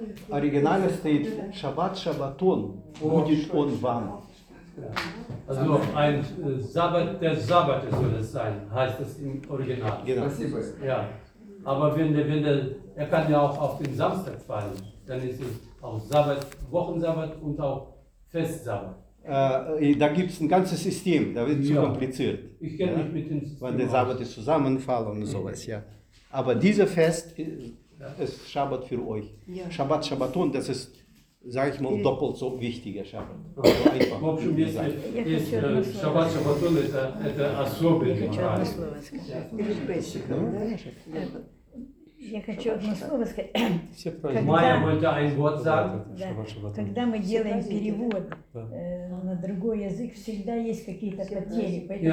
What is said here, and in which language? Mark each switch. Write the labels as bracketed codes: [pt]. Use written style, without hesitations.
[ru] Оригинально стоит Шаббат Шабатон. Будет он вам. [de] Also ein Sabbat, der Sabbat soll es sein, heißt es im Original. Genau. Ja. Aber wenn der, er kann ja auch auf den Samstag fallen, dann ist es auch Sabbat, Wochensabbat und auch Festsabbat. Da gibt es ein ganzes System, da wird zu kompliziert. Ich kenne mich mit dem System. Wenn der Sabbat ist zusammenfall und sowas, ja. Aber dieser Fest ist Sabbat für euch. Ja. Sabbat, Shabbaton, das ist, sag ich mal, doppelt so wichtiger Sabbat. Also einfach. [ru] Шаббат Шабатон это особенный праздник. Я хочу одно слово сказать. Майя может один год сказать. Когда мы делаем перевод на другой язык, всегда есть какие-то потери.